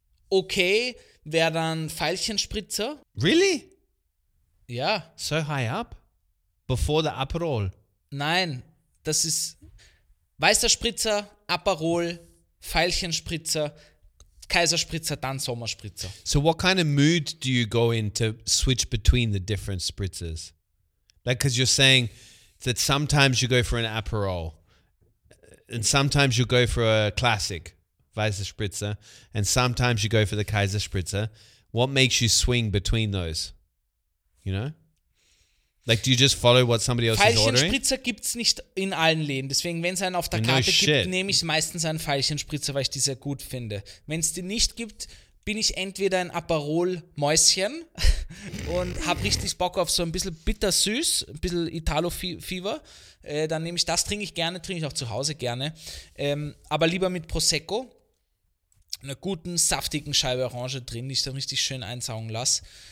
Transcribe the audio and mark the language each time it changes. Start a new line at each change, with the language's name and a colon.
German: Okay, wäre dann Veilchenspritzer.
English: Really?
German: Ja.
English: So high up? Before the Aperol?
German: Nein, das ist weißer Spritzer, Aperol, Veilchenspritzer, Kaiserspritzer, dann Sommerspritzer.
English: So what kind of mood do you go in to switch between the different spritzers? Like, because you're saying that sometimes you go for an Aperol and sometimes you go for a classic Weißer Spritzer and sometimes you go for the Kaiserspritzer. What makes you swing between those? You know? Like, do you just follow what somebody else is ordering?
German: Veilchenspritzer gibt es nicht in allen Läden. Deswegen, wenn es einen auf der Karte gibt, nehme ich meistens einen Veilchenspritzer, weil ich die sehr gut finde. Wenn es die nicht gibt, bin ich entweder ein Aperol-Mäuschen und habe richtig Bock auf so ein bisschen bittersüß, ein bisschen Italo-Fieber. Dann nehme ich das, trinke ich auch zu Hause gerne. Aber lieber mit Prosecco, einer guten, saftigen Scheibe Orange drin, die ich dann richtig schön einsaugen lasse.